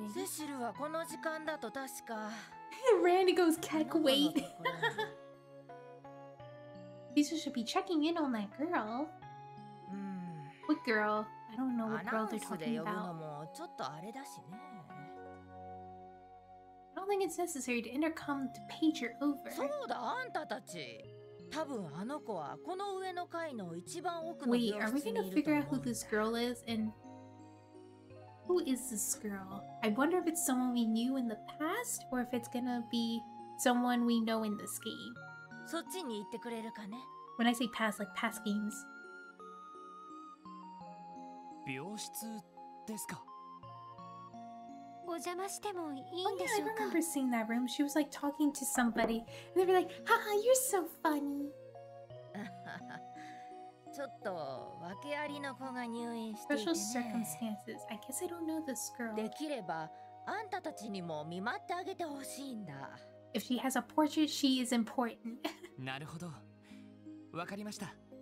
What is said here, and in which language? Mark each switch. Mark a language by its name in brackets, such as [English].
[Japanese] セシルはこの時間だと確か。 [English] Randy goes keck wait. Lisa should be checking in on that girl. What girl? I don't know what girl they're talking about. [Japanese] アナウンスで呼ぶのもちょっとあれだしね。 [English] I don't think it's necessary to intercom to page her over. [Japanese] そうだ、あんたたち。多分あの子はこの上の階の一番奥の病室にいると思う。 [English] Wait, are we gonna figure out who this girl is? And who is this girl? I wonder if it's someone we knew in the past or if it's gonna be someone we know in this game. [Japanese] そっちに行ってくれるかね。 [English] When I say past, like past games. [Japanese] 病室ですか？お邪魔してもいいんでしょうか？ [English] Oh yeah, I remember seeing that room. She was like talking to somebody. And they were like, haha, you're so funny. [Japanese] ちょっと訳ありの子が入院していてね。 [English] Special circumstances. I guess I don't know this girl. [Japanese] できればあんたたちにも見舞ってあげてほしいんだ。 [English] If she has a portrait, she is important. [Japanese] なるほど、わかりました。